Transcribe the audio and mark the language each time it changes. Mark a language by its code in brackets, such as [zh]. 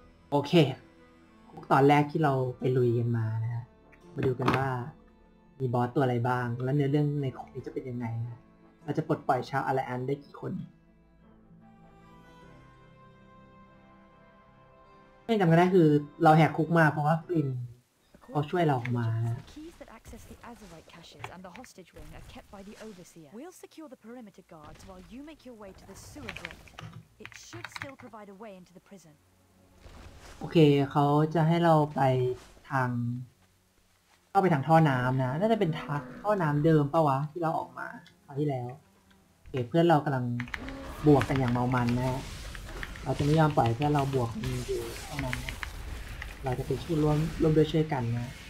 [th] โอเคตอนแรกที่เราไปลุยกันมานะฮะมาดูกันว่ามีบอสตัวอะไรบ้างแล้วเนื้อเรื่องในของนี้จะเป็นยังไงเราจะปลดปล่อยชาวอารแอนได้กี่คนไม่จำกันได้คือเราแหกคุกมาเพราะว่าฟลินเขาช่วยเราออกมานะ [en] Access the Azurite caches and the hostage ring are kept by the overseer. We'll secure the perimeter guards while you make your way to the sewer grate. It should still provide a way into the prison. [th] โอเคเขาจะให้เราไปทาง ข้าไปทางท่อน้ำนะน่าจะเป็นท่อน้ำเดิมปะวะที่เราออกมาคราวที่แล้วเพื่อนเรากำลังบวกกันอย่างเมามันนะเราจะไม่ยอมปล่อยเพื่อนเราบวกมีอยู่เท่านั้นนะเราจะเป็นชุดร่วมด้วยช่วยกันนะ